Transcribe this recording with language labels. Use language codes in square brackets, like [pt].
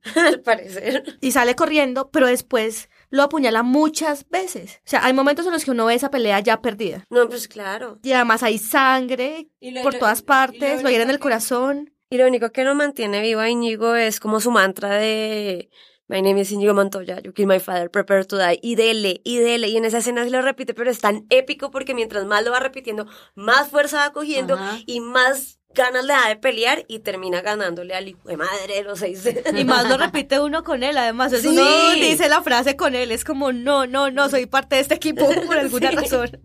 [es] Al parecer. Y sale corriendo, pero después... lo apuñala muchas veces. O sea, hay momentos en los que uno ve esa pelea ya perdida. No, pues claro. Y además hay sangre por todas partes, lo hieren el corazón. Y lo único que lo mantiene vivo a Íñigo es como su mantra de... [en] My name is Íñigo Montoya, you kill my father, prepare to die. [es] Y dele. Y en esa escena se lo repite, pero es tan épico porque mientras más lo va repitiendo, más fuerza va cogiendo y más... ganas le da de pelear y termina ganándole al hijo de madre de los seis. Y más lo repite uno con él, además. Sí. Uno dice la frase con él, es como, no, soy parte de este equipo por alguna razón.